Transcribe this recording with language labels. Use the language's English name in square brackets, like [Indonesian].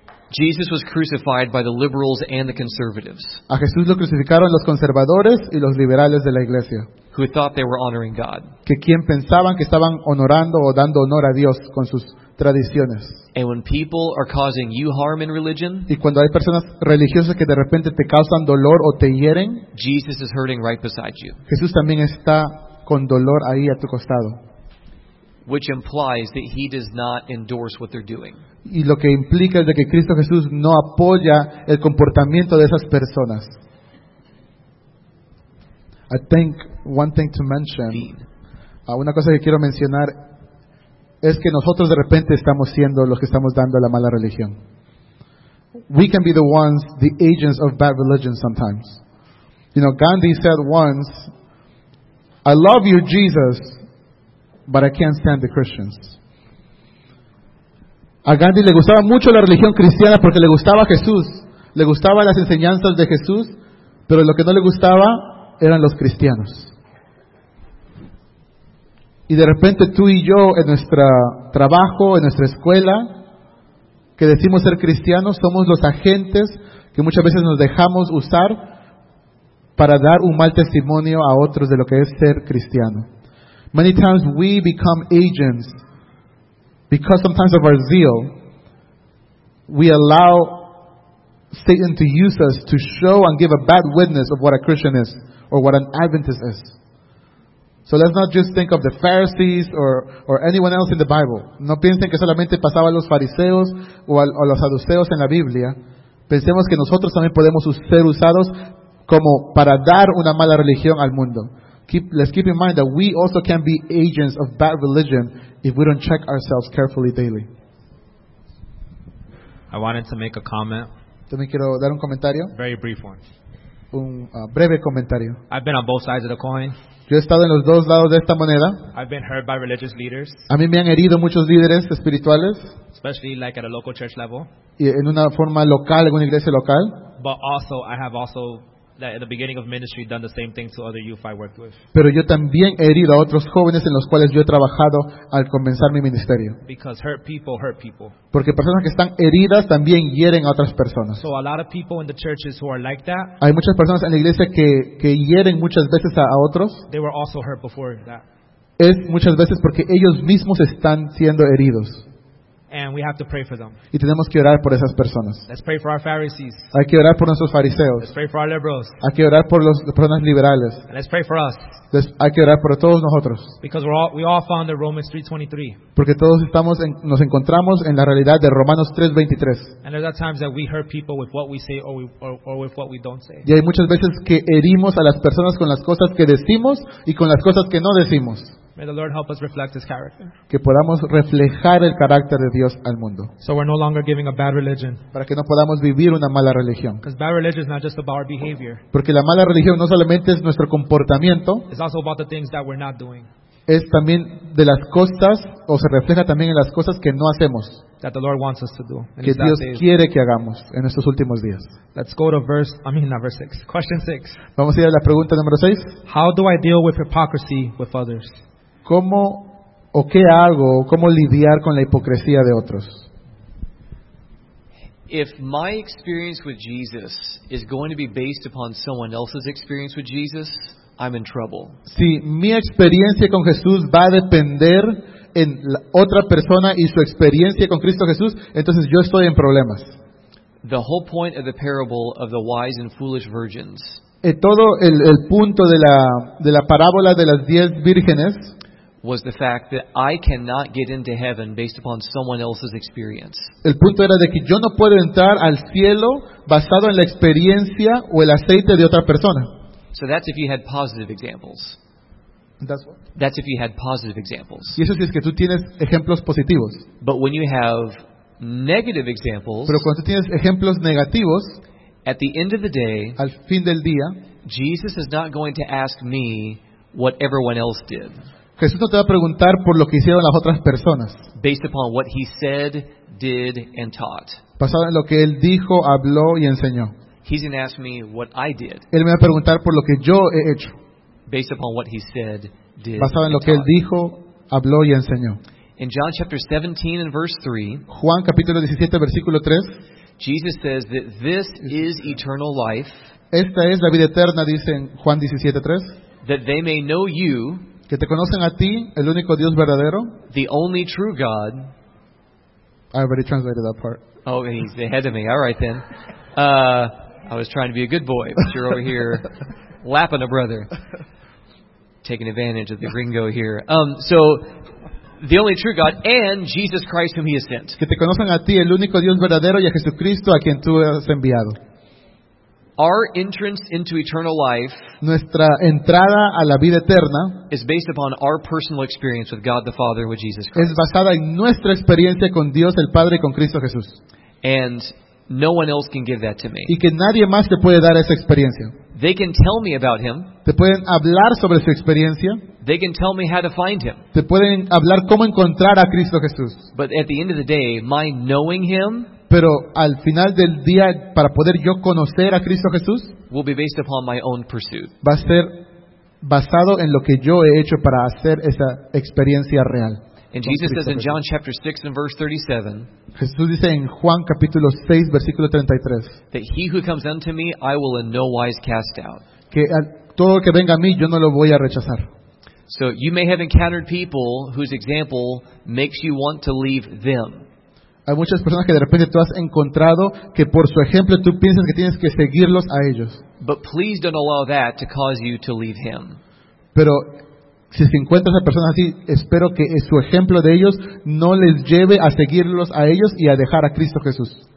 [English] Jesus was crucified by the liberals and the conservatives. [Spanish] A Jesús lo crucificaron los conservadores y los liberales de la iglesia. [English] Who thought they were honoring God. [Spanish] Que quien pensaban que estaban honorando o dando honor a Dios con sus tradiciones. [English] And when people are causing you harm in religion, [Spanish] y cuando hay personas religiosas que de repente te causan dolor o te hieren, [English] Jesus is hurting right beside you. [Spanish] Jesús también está con dolor ahí a tu costado. [English] Which implies that he does not endorse what they're doing. [Spanish] Y lo que implica es de que Cristo Jesús no apoya el comportamiento de esas personas. [English] I think one thing to mention, [Spanish] una cosa que quiero mencionar es que nosotros de repente estamos siendo los que estamos dando la mala religión. [English] We can be the ones, the agents of bad religion sometimes. You know, Gandhi said once, I love you, Jesus, but I can't stand the Christians. [Spanish] A Gandhi le gustaba mucho la religión cristiana porque le gustaba Jesús. Le gustaban las enseñanzas de Jesús, pero lo que no le gustaba eran los cristianos. Y de repente tú y yo, en nuestro trabajo, en nuestra escuela, que decimos ser cristianos, somos los agentes que muchas veces nos dejamos usar para dar un mal testimonio a otros de lo que es ser cristiano. [English] Many times we become agents. Because sometimes of our zeal, we allow Satan to use us to show and give a bad witness of what a Christian is or what an Adventist is. So let's not just think of the Pharisees or anyone else in the Bible. [Spanish] No piensen que solamente pasaba a los fariseos o a los saduceos en la Biblia. Pensemos que nosotros también podemos ser usados como para dar una mala religión al mundo. [English] Let's keep in mind that we also can be agents of bad religion if we don't check ourselves carefully daily. I wanted to make a comment. [Spanish] También quiero dar un comentario. [English] Very brief one. [Spanish] Un breve comentario. [English] I've been on both sides of the coin. [Spanish] Yo he estado en los dos lados de esta moneda. [English] I've been hurt by religious leaders. [Spanish] A mí me han herido muchos líderes espirituales. [English] Especially like at a local church level. [Spanish] Y en una forma local, en una iglesia local. [English] But also, I have also that in the beginning of ministry done the same thing to other youth I worked with. [Spanish] Pero yo también he herido a otros jóvenes en los cuales yo he trabajado al comenzar mi ministerio. [English] Because hurt people hurt people. [Spanish] Porque personas que están heridas también hieren a otras personas. [English] So a lot of people in the churches who are like that. [Spanish] Hay muchas personas en la iglesia que hieren muchas veces a otros. [English] They were also hurt before that. [Spanish] Es muchas veces porque ellos mismos están siendo heridos. [English] And we have to pray for them. [Spanish] Y tenemos que orar por esas personas. [English] Let's pray for our Pharisees. [Spanish] Hay que orar por nuestros fariseos. [English] Let's pray for our liberals. [Spanish] Hay que orar por las personas liberales. [English] And let's pray for us. [Spanish] Hay que orar por todos nosotros. [English] Because we all found the Romans 3:23. [Spanish] Porque todos nos encontramos en la realidad de Romanos 3:23. [English] And there are times that we hurt people with what we say or with what we don't say. [Spanish] Y hay muchas veces que herimos a las personas con las cosas que decimos y con las cosas que no decimos. [English] May the Lord help us reflect His character. [Spanish] Que podamos reflejar el carácter de Dios al mundo. [English] So we're no longer giving a bad religion. [Spanish] Para que no podamos vivir una mala religión. [English] Because bad religion is not just about our behavior. [Spanish] Porque la mala religión no solamente es nuestro comportamiento. [English] It's also about the things that we're not doing. [Spanish] Es también de las cosas, o se refleja también en las cosas que no hacemos. [English] That the Lord wants us to do. [Spanish] Que Dios quiere que hagamos en estos últimos días. [English] Let's go to verse 6. Question 6. [Spanish] Vamos a ir a la pregunta número 6. [English] How do I deal with hypocrisy with others? [Spanish] ¿Cómo o qué hago? ¿Cómo lidiar con la hipocresía de otros? [English] If my experience with Jesus is going to be based upon someone else's experience with Jesus, I'm in trouble. [Spanish] Si mi experiencia con Jesús va a depender en la otra persona y su experiencia con Cristo Jesús, entonces yo estoy en problemas. [English] The whole point of the parable of the wise and foolish virgins. [Spanish] Todo el punto de la parábola de las 10 vírgenes [English] was the fact that I cannot get into heaven based upon someone else's experience. [Spanish] El punto era de que yo no puedo entrar al cielo basado en la experiencia o el aceite de otra persona. [English] So that's if you had positive examples. That's what? That's if you had positive examples. [Spanish] Y eso sí es que tú tienes ejemplos positivos. [English] But when you have negative examples, [Spanish] pero cuando tienes ejemplos negativos, [English] at the end of the day, [Spanish] al fin del día, [English] Jesus is not going to ask me what everyone else did. [Spanish] Jesús no te va a preguntar por lo que hicieron las otras personas. [English] Based upon what he said, did, and taught. [Spanish] Basado en lo que él dijo, habló y enseñó. [English] He's going to ask me what I did. [Spanish] Él me va a preguntar por lo que yo he hecho. [English] Based upon what he said, did, [Spanish] basado en lo que [English] taught. [Spanish] Él dijo, habló y enseñó. [English] In John chapter 17 and verse 3, [Spanish] Juan capítulo 17, versículo 3, [English] Jesus says that this is eternal life. [Spanish] Esta es la vida eterna, dice en Juan 17:3. [English] That they may know you, [Spanish] que te conocen a ti, el único Dios verdadero, [English] the only true God. I already translated that part. Oh, he's ahead of me. All right, then. I was trying to be a good boy, but you're over here lapping a brother. Taking advantage of the gringo here. So, the only true God and Jesus Christ whom he has sent. [Spanish] Que te conocen a ti, el único Dios verdadero, y a Jesucristo a quien tú has enviado. [English] Our entrance into eternal life, [Spanish] nuestra entrada a la vida eterna, [English] is based upon our personal experience with God the Father and with Jesus Christ. [Spanish] Es basada en nuestra experiencia con Dios el Padre y con Cristo Jesús. [English] And no one else can give that to me. [Spanish] Y que nadie más te puede dar esa experiencia. [English] They can tell me about him. [Spanish] Te pueden hablar sobre su experiencia. [English] They can tell me how to find him. [Spanish] Te pueden hablar cómo encontrar a Cristo Jesús. [English] But at the end of the day, my knowing him, [Spanish] pero al final del día, para poder yo conocer a Cristo Jesús, [English] will be based upon my own pursuit. [Spanish] Va a ser basado en lo que yo he hecho para hacer esa experiencia real. [English] And Jesus says in John chapter 6 and verse 37, [Spanish] Jesús dice en Juan capítulo 6, versículo 33, [English] that he who comes unto me, I will in no wise cast out. [Spanish] Que todo el que venga a mí, yo no lo voy a rechazar. [English] So you may have encountered people whose example makes you want to leave them. [Spanish] Hay muchas personas que de repente tú has encontrado que por su ejemplo tú piensas que tienes que seguirlos a ellos. [English] But please don't allow that to cause you to leave him. [Spanish] Pero si encuentras a personas así, espero que su ejemplo de ellos no les lleve a seguirlos a ellos y a dejar a Cristo Jesús.